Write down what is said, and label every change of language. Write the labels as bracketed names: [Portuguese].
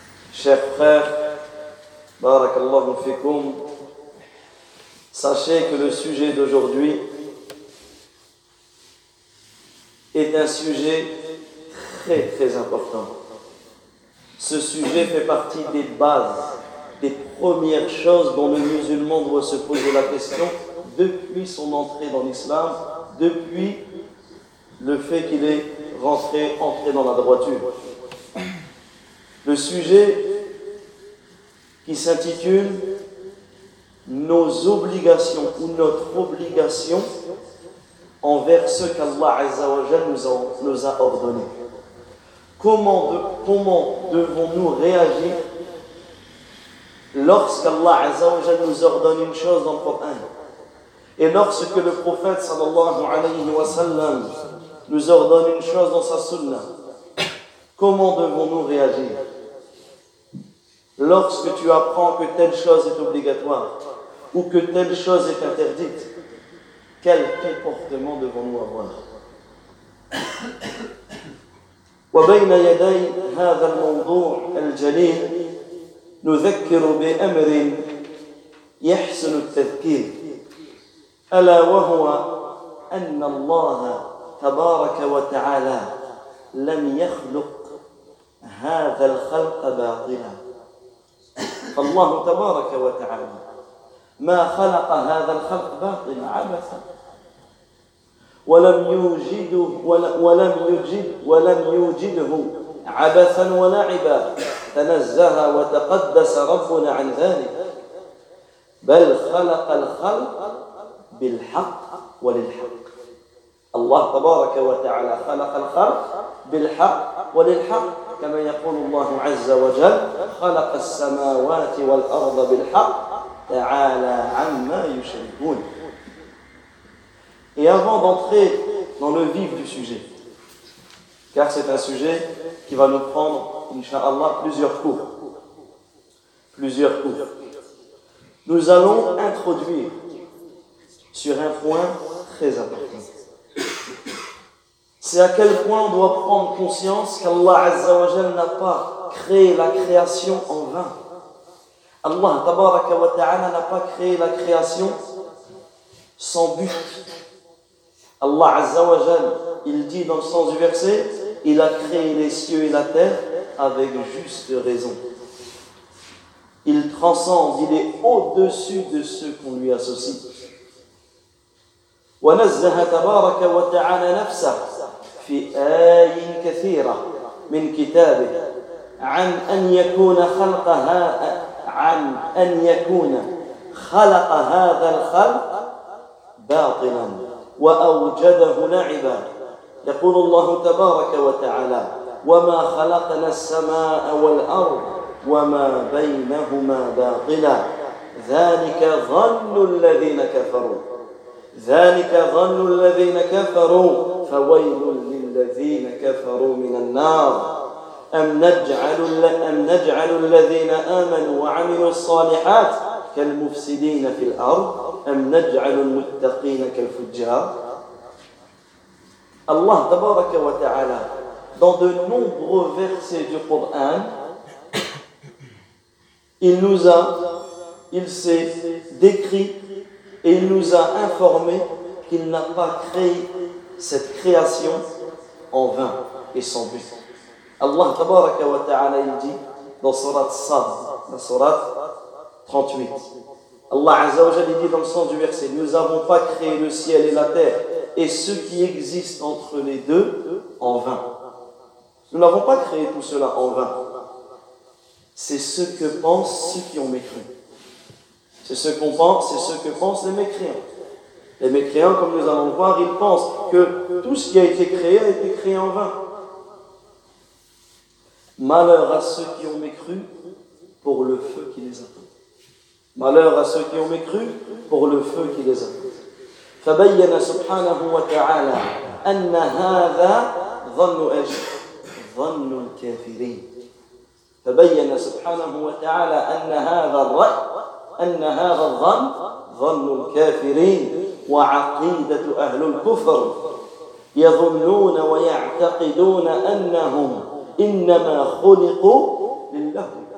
[Arabic] شيخ بارك الله فيكم [French] sachez que le sujet d'aujourd'hui est un sujet très très important. Ce sujet fait partie des bases, des premières choses dont le musulman doit se poser la question depuis son entrée dans l'islam, depuis le fait qu'il est entré dans la droiture. Le sujet qui s'intitule « Nos obligations ou notre obligation envers ce qu'Allah Azza wa Jal nous a ordonné ». Comment devons-nous réagir lorsqu'Allah Azza wa Jalla nous ordonne une chose dans le Coran? Et lorsque le prophète sallallahu alayhi wa sallam nous ordonne une chose dans sa sunna, comment devons-nous réagir? Lorsque tu apprends que telle chose est obligatoire ou que telle chose est interdite, quel comportement devons-nous avoir? [Arabic] وبين يدي هذا الموضوع الجليل نذكر بأمر يحسن التذكير ألا وهو أن الله تبارك وتعالى لم يخلق هذا الخلق باطلا فالله تبارك وتعالى ما خلق هذا الخلق باطلا عبثا ولم يوجده عبثا ولا عبادا تنزه وتقدس ربنا عن ذلك بل خلق الخلق بالحق وللحق الله تبارك وتعالى خلق الخلق بالحق وللحق كما يقول الله عز وجل خلق السماوات والأرض بالحق تعالى عما يشركون. [French] Et avant d'entrer dans le vif du sujet, car c'est un sujet qui va nous prendre, Inch'Allah, plusieurs cours, nous allons introduire sur un point très important. C'est à quel point on doit prendre conscience qu'Allah Azza wa Jal n'a pas créé la création en vain. Allah Tabaraka wa Ta'ala n'a pas créé la création sans but. Allah Azza wa Jal, il dit dans le sens du verset, il a créé les cieux et la terre avec juste raison. Il transcende, il est au-dessus de ce qu'on lui associe. [Arabic] ونزه تبارك وتعالى نفسه في آي كثيرة من كتابه عن أن يكون خلقها عن أن يكون خلق هذا الخلق باطلا وأوجده لعبا. يقول الله تبارك وتعالى وما خلقنا السماء والأرض وما بينهما باطلا ذلك ظن الذين كفروا ذلك ظن الذين كفروا فويل للذين كفروا من النار أم نجعل الذين آمنوا وعملوا الصالحات كالمفسدين في الأرض أم نجعل المتقين كالفجار. [French] الله تبارك وتعالى dans de nombreux versets du Coran il s'est décrit et il nous a informé qu'il n'a pas créé cette création en vain et sans but. Allah tabaraka wa ta'ala, il dit dans surat Sad, la surat 38. Allah azza wa jalla, il dit dans le sens du verset, nous n'avons pas créé le ciel et la terre et ce qui existe entre les deux en vain. Nous n'avons pas créé tout cela en vain. C'est ce que pensent ceux qui ont mécru. C'est ce qu'on pense, c'est ce que pensent les mécréants. Les mécréants, comme nous allons le voir, ils pensent que tout ce qui a été créé en vain. Malheur à ceux qui ont mécru pour le feu qui les attend. Malheur à ceux qui ont mécru pour le feu qui les attend. [Arabic] فَبَيَّنَ سُبْحَانَهُ وَتَعَالَى أَنَّ هَذَا ظَنُّ أَجْرِ ظَنُّ الْكَافِرِينَ فَبَيَّنَ سُبْحَانَهُ وَتَعَالَى أَنَّ هَذَا الرَّأْيِ أن هذا الظن ظن الكافرين وعقيدة أهل الكفر يظنون ويعتقدون أنهم إنما خلقوا للهو